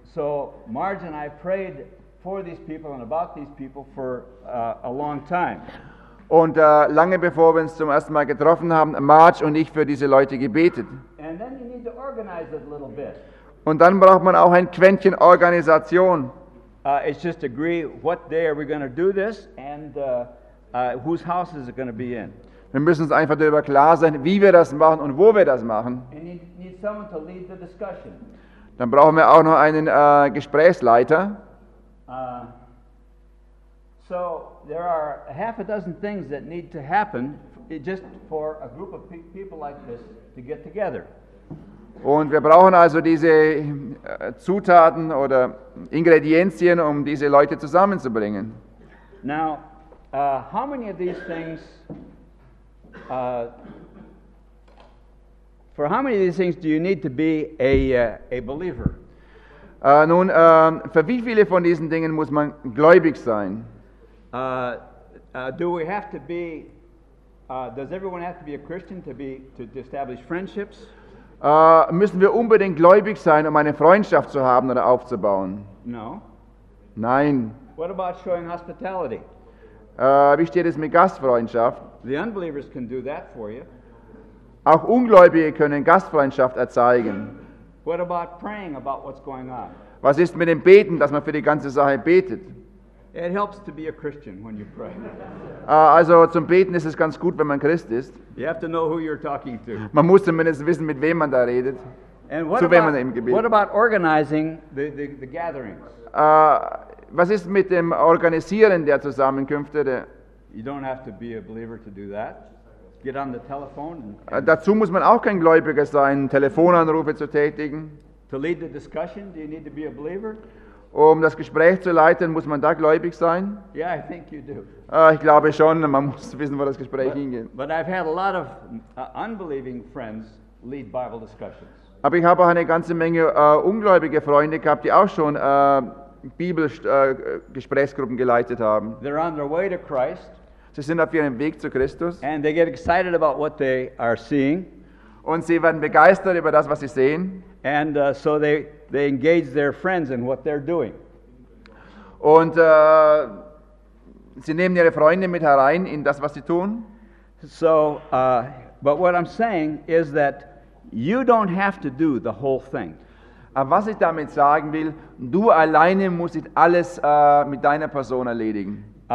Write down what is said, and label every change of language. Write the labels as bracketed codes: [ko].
[en] So Marge and I prayed for these people and about these people for a long time. [de] Und lange bevor wir uns zum ersten Mal getroffen haben, Marge und ich für diese Leute gebetet. [en] And then you need to organize it a little bit. [de] Und dann braucht man auch ein Quäntchen Organisation. [en] It's just agree what day are we going to do this and whose house is it going to be in. [de] Wir müssen uns einfach darüber klar sein, wie wir das machen und wo wir das machen. [en] Need someone to lead the discussion. [de] Dann brauchen wir auch noch einen Gesprächsleiter. [en] So there are half a dozen things that need to happen just for a group of people like this to get together. [de] Und wir brauchen also diese Zutaten oder Ingredienzien, um diese Leute zusammenzubringen. [en] Now, how many of these things, for how many of these things do you need to be a believer? [de] Für wie viele von diesen Dingen muss man gläubig sein? [en] Do we have to be, does everyone have to be a Christian to establish friendships? [de] Müssen wir unbedingt gläubig sein, um eine Freundschaft zu haben oder aufzubauen? [en] No. [de] Nein. [en] What about showing hospitality? [de] Wie steht es mit Gastfreundschaft? [en] The unbelievers can do that for you. [de] Auch Ungläubige können Gastfreundschaft erzeigen. [en] What about praying about what's going on? [de] Was ist mit dem Beten, dass man für die ganze Sache betet? [en] It helps to be a Christian when you pray. [de] Also zum Beten ist es ganz gut, wenn man Christ ist. [en] You have to know who you're talking to. [de] Man muss zumindest wissen, mit wem man da redet. [en] And what [de] zu [en] about, [de] wem man im Gebet. [en] What about organizing the gatherings? [de] Was ist mit dem Organisieren der Zusammenkünfte? [en] You don't have to be a believer to do that. Get on the telephone. [de] Dazu muss man auch kein Gläubiger sein, Telefonanrufe zu tätigen. [en] To lead the discussion, do you need to be a believer? [de] Um das Gespräch zu leiten, muss man da gläubig sein? [en] Yeah, I think you do. [de] Ich glaube schon, man muss wissen, wo das Gespräch hingeht. [en] But I've had a lot of unbelieving friends lead Bible discussions. [de] Aber ich habe auch eine ganze Menge ungläubige Freunde gehabt, die auch schon Bibelgesprächsgruppen geleitet haben. [en] They're on their way to Christ. [de] Sie sind auf ihrem Weg zu Christus. [en] And they get excited about what they are seeing. [de] Und sie werden begeistert über das, was sie sehen. [en] And so they engage their friends in what they're doing. [de] Und sie nehmen ihre Freunde mit herein in das, was sie tun. [en] So, but what I'm saying is that you don't have to do the whole thing. [de] Aber was ich damit sagen will, du alleine musst nicht alles mit deiner Person erledigen.